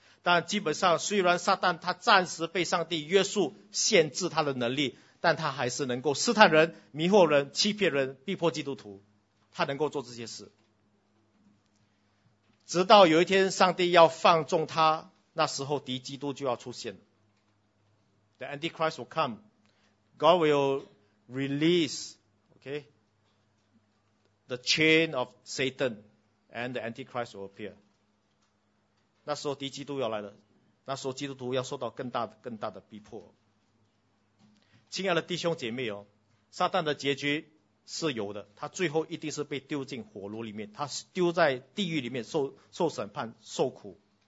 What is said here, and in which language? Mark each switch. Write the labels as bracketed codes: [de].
[zh] 但基本上虽然撒旦他暂时被上帝约束限制他的能力，但他还是能够试探人、迷惑人、欺骗人、逼迫基督徒，他能够做这些事。直到有一天上帝要放纵他，那时候敌基督就要出现了。 [en] The Antichrist will come, God will release, okay? The chain of Satan and the Antichrist will appear. [zh] 那时候敌基督要来了，那时候基督徒要受到更大的逼迫。亲爱的弟兄姐妹哦，撒旦的结局是有的，他最后一定是被丢进火炉里面，他丢在地狱里面受审判受苦。